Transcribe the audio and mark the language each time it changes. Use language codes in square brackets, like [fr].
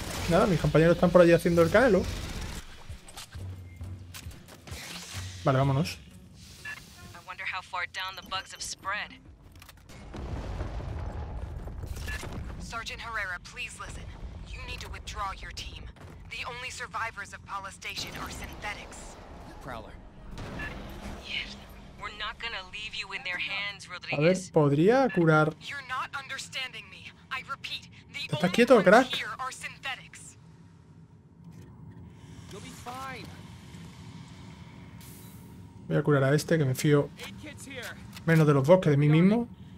[es] Nada, mis compañeros están por allí haciendo el canelo. Vale, vámonos. [en] I wonder how far down the bugs have spread. Sergeant Herrera, please listen. You need to withdraw your team. The only survivors of Pala Station are synthetics. Prowler. Yes. We're not gonna leave you in their hands, Rodriguez. [es] A ver, podría curar. [en] You're not understanding me. I repeat, the only ones here are synthetics. [es] Voy a curar a este, que me fío menos de los bosques, de mí mismo.